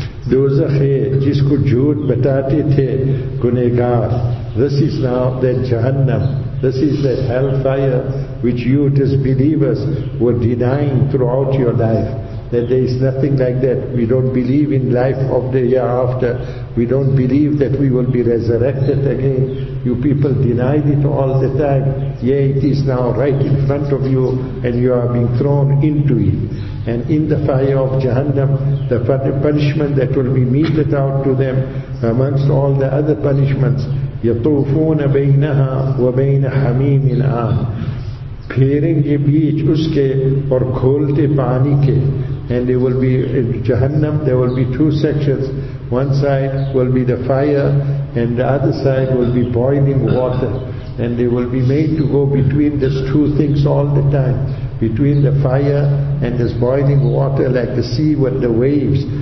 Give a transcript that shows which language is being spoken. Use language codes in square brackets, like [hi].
[ur] دوزخ ہے جس کو جھوٹ بتاتے تھے گنہگار. [en] This is now that Jahannam, this is that hellfire which you disbelievers were denying throughout your life. That there is nothing like that. We don't believe in life of the year after. We don't believe that we will be resurrected again. You people denied it all the time. Yeah, it is now right in front of you, and you are being thrown into it. And in the fire of Jahannam, the punishment that will be meted out to them, amongst all the other punishments, [ar] يَطُوفُونَ بَيْنَهَا وَبَيْنَ حَمِيمٍ آن. [ur] پھیرنگے بیچ اس کے اور کھولتے پانی کے. [en] And there will be in Jahannam, there will be two sections. One side will be the fire, and the other side will be boiling water. And they will be made to go between these two things all the time, between the fire and this boiling water, like the sea with the waves.